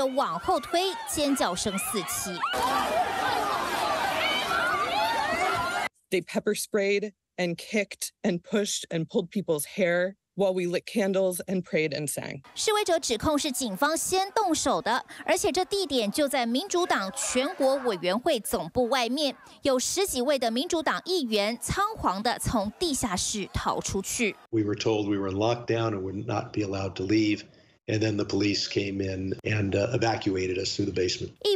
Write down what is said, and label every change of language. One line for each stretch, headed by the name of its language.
Chinese: 这报警察用力把示威者往后推，尖叫声四起。
English: They pepper sprayed and kicked and pushed and pulled people's hair while we lit candles and prayed and sang.
Chinese: 示威者指控是警方先动手的，而且这地点就在民主党全国委员会总部外面，有十几位的民主党议员仓皇地从地下室逃出去。
English: We were told we were locked down and would not be allowed to leave. And then the police came in and evacuated us through the basement.